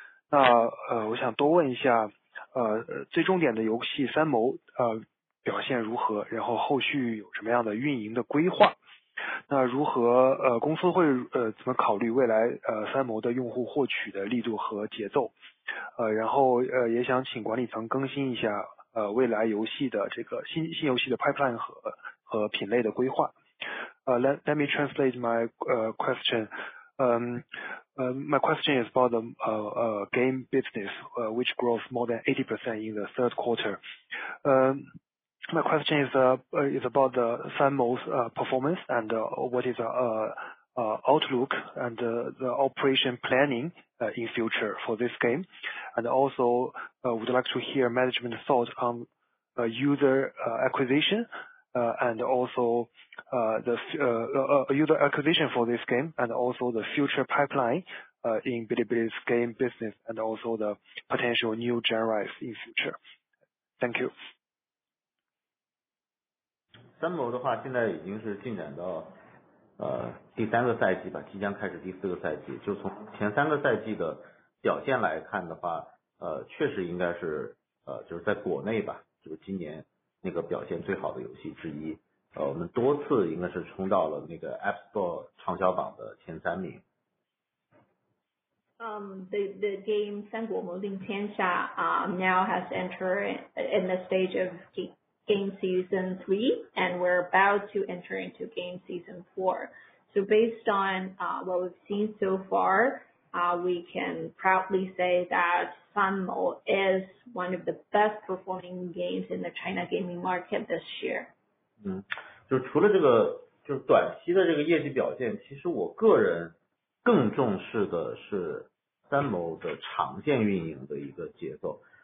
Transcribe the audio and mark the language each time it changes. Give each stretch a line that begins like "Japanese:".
Chinese: 那我想多问一下最重点的游戏三谋表现如何，然后后续有什么样的运营的规划，那如何公司会怎么考虑未来三谋的用户获取的力度和节奏，然后也想请管理层更新一下未来游戏的这个新游戏的 pipeline 和品类的规划。
English: Let me translate my question. My question is about the game business, which grows more than 80% in the third quarter. My question is about the Sanmo's performance and what is outlook and the operation planning in future for this game. And also, would like to hear management thoughts on user acquisition and also the user acquisition for this game, and also the future pipeline in Bilibili's game business, and also the potential new genres in future. Thank you.
Chinese: 三谋的话现在已经是进展到第三个赛季吧，即将开始第四个赛季。就从前三个赛季的表现来看的话，确实应该是就是在国内吧，就是今年那个表现最好的游戏之一。我们多次应该是冲到了那个 App Store 畅销榜的前三名。
English: The game 三国谋定天下now has entered in the stage of game season 3, and we're about to enter into game season 4. So based on what we've seen so far, we can proudly say that Sanmo is one of the best performing games in the China gaming market this year.
Chinese: 就除了这个就是短期的这个业绩表现，其实我个人更重视的是Sanmo的长线运营的一个节奏。